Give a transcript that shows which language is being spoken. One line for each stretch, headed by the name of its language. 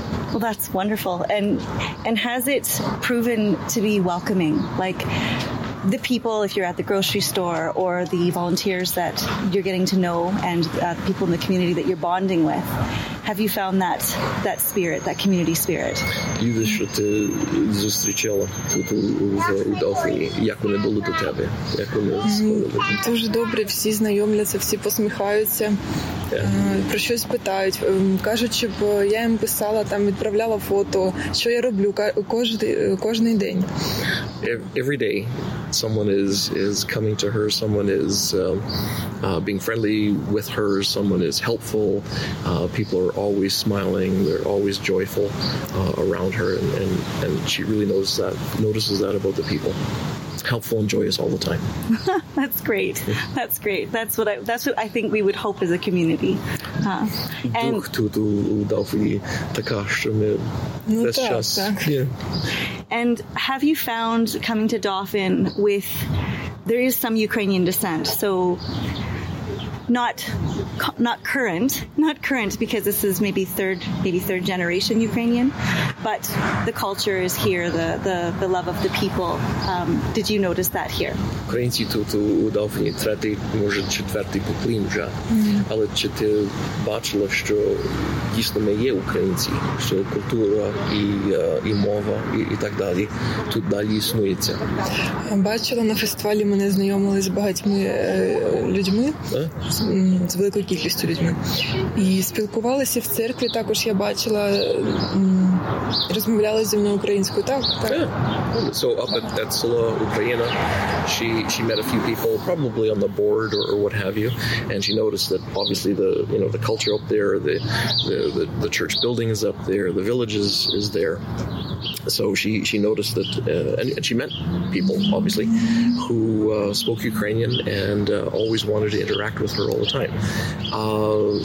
English: Well, that's wonderful. And has it proven to be welcoming? Like, the people, if you're at the grocery store, or the volunteers that you're getting to know, and the people in the community that you're bonding with, have you found that spirit, that community spirit?
Ukrainian: Люди, що ти зустрічала тут у Дауфіні, як вони були до тебе? Як вони сподобали? Дуже добре, всі знайомляться, всі посміхаються, про щось питають. Кажуть, щоб я їм писала, там відправляла фото, що я роблю кожний день.
English: Every day someone is coming to her, someone is being friendly with her, someone is helpful, people are always smiling, they're always joyful around her, and she really notices that about the people. helpful and joyous all the time. That's great. That's great. That's what I. That's what I think we would hope as a community. And have you found coming to Dauphin with, there is some Ukrainian descent, so not current, because this is maybe third generation Ukrainian, but the culture is here, the love of the people. Did you notice that here?
Ukrainian: Українці тут у Дауфіні третій, може, четвертий поклін вже. Але чи ти бачила, що дійсно ми є українці, що культура і мова і так далі тут далі існується? Бачила, на фестивалі мене знайомили з багатьми людьми. З великою кількістю людьми. І спілкувалися в церкві, також я бачила, розмовляли зі мною українською. Так, так.
English: Yeah. So up at Etzola, Ukraine, she met a few people, probably on the board or what have you, and she noticed that obviously the culture up there, the church building is up there, the village is there. So she noticed that, and she met people, obviously, who spoke Ukrainian and always wanted to interact with her all the time.